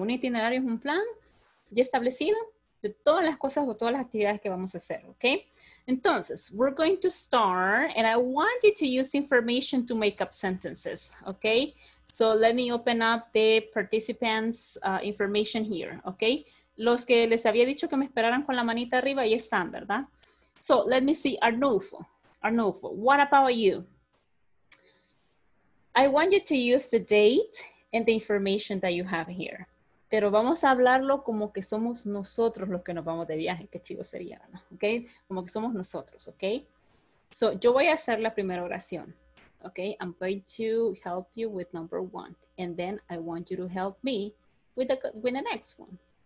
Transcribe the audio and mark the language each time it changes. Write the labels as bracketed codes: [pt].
[es] Un itinerario es un plan ya establecido de todas las cosas o todas las actividades que vamos a hacer, okay? [en] Entonces, we're going to start, and I want you to use information to make up sentences, okay? So let me open up the participants' information here, okay? [es] Los que les había dicho que me esperaran con la manita arriba, ahí están, ¿verdad? [en] So, let me see, Arnulfo. Arnulfo, what about you? I want you to use the date and the information that you have here. [es] Pero vamos a hablarlo como que somos nosotros los que nos vamos de viaje. Qué chido sería, ¿no? ¿Ok? Como que somos nosotros, ¿ok? So, yo voy a hacer la primera oración, ¿ok? [en] I'm going to help you with number one. And then I want you to help me with the next one.